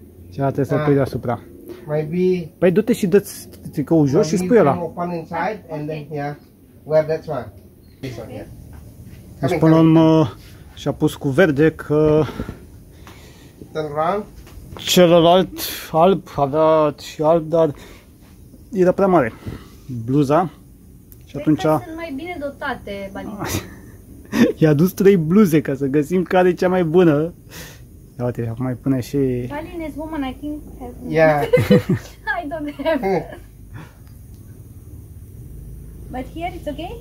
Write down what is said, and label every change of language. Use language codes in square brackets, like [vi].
[ro] ce trebuie să pui deasupra? [en] Maybe. [ro] Păi du-te și dă-ți tricoul jos și spui ăla. [en] Open inside and then, yeah, wear that one. This one, yeah. [ro] Până la urmă și-a pus cu verde că celălalt alb, avea și alb, dar era prea mare bluza. Și atunci sunt mai bine dotate banii. I-a dus 3 bluze ca să găsim care e cea mai bună. Ia uite, acum mai pune și [en] Balinese woman, I think have. Yeah. I don't have. But here it's okay?